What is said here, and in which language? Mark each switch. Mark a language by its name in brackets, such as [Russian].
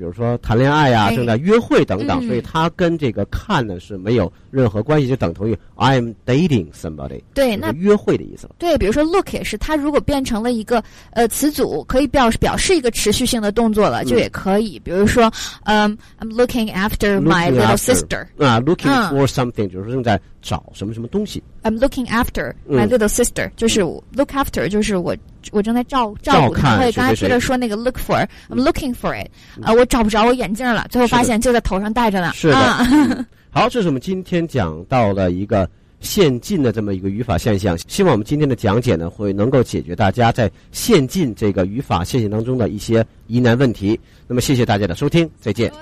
[Chinese] 比如说谈恋爱呀、正在约会等等，所以他跟这个看呢是没有任何关系，就等同于 [English] I'm dating somebody。 [Chinese] 对，那约会的意思了。对，比如说 look 也是，它如果变成了一个词组，可以表示一个持续性的动作了，就也可以。比如说， [English] I'm looking after my little sister。 Looking for something [Chinese] 就是正在找什么什么东西。 [English] I'm looking after my little sister， [Chinese] 就是 look after 就是我正在照顾看，所以刚才接着说那个 look for， [English] I'm looking for it， [Chinese] 我找不着我眼镜了，最后发现就在头上戴着呢。是的，好，这是我们今天讲到的一个现进的这么一个语法现象，希望我们今天的讲解呢会能够解决大家在现进这个语法现象当中的一些疑难问题。那么谢谢大家的收听，再见，